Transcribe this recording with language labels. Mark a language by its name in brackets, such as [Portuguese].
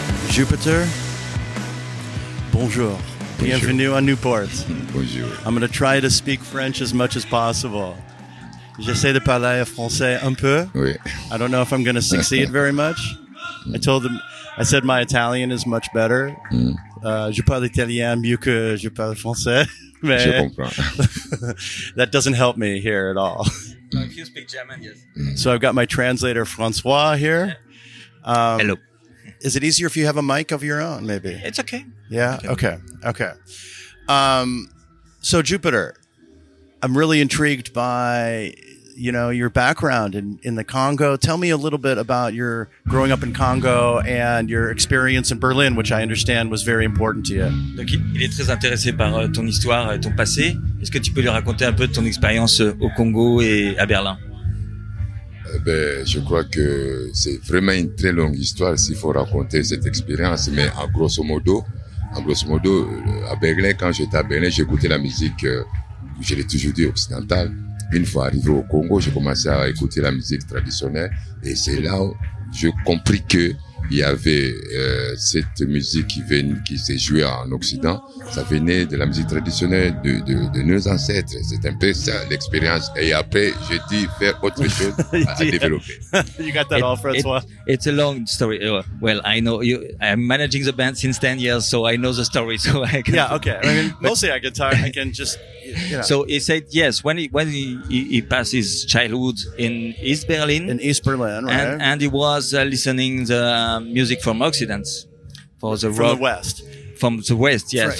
[French] Jupiter, bonjour. Bienvenue à Newport. Bonjour. [English] I'm going to try to speak French as much as possible. [French] J'essaie de parler français un peu. Oui. [English] I don't know if I'm going to succeed very much. I told them, I said my Italian is much better. [French] Je parle italien mieux que je parle français. Mais je comprends. [English] That doesn't help me here at all. If you speak German, yes. So I've got my translator, Francois, here. Hello. Is it easier if you have a mic of your own, maybe? It's okay. Yeah? Okay. Okay. So, Jupiter, I'm really intrigued by, you know, your background in the Congo. Tell me a little bit about your growing up in Congo and your experience in Berlin, which I understand was very important to you. [French] Donc, il est très intéressé par ton histoire et ton passé. Est-ce que tu peux lui raconter un peu de ton expérience au Congo et à Berlin? Ben, je crois que c'est vraiment une très longue histoire s'il faut raconter cette expérience, mais en grosso modo, à Berlin, quand j'étais à Berlin, j'écoutais la musique, je l'ai toujours dit, occidentale. Une fois arrivé au Congo, j'ai commencé à écouter la musique traditionnelle, et c'est là où j'ai compris qu'il y avait cette musique qui s'est jouée en Occident. Ça venait de la musique traditionnelle de nos ancêtres. C'est un peu ça, l'expérience. Et après, j'ai dû faire autre chose à développer. [English] You got that all, François. It's a long story. Well, I know you. I'm managing the band since 10 years, so I know the story. So I can. Yeah, okay. I mean, mostly I can talk. I can just. You know. So he said yes when he passed his childhood in East Berlin, right? And he was listening the music from Occident, from the West, yes.